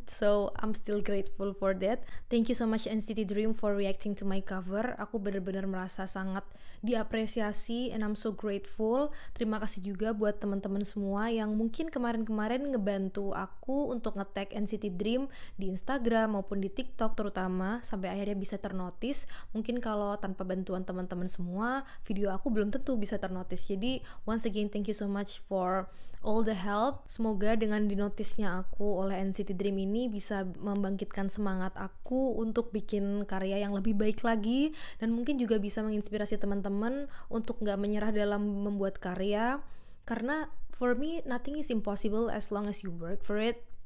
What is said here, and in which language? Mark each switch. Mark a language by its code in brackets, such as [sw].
[en] So I'm still grateful for that. Thank you so much NCT Dream for reacting to my cover. [id] Aku benar-benar merasa sangat diapresiasi [en] and I'm so grateful. [id] Terima kasih juga buat teman-teman semua yang mungkin kemarin-kemarin ngebantu aku untuk nge-tag NCT Dream di Instagram maupun di TikTok terutama sampai akhirnya bisa ternotis. Mungkin kalau tanpa bantuan teman-teman semua, video aku belum tentu bisa ternotis. [en] Jadi once again thank you so much for all the help. [id] Semoga dengan dinotisnya aku oleh NCT Dream ini bisa membangkitkan semangat aku untuk bikin karya yang lebih baik lagi, dan mungkin juga bisa menginspirasi teman-teman untuk gak menyerah dalam membuat karya, karena [en] for me nothing is impossible as long as you work for it.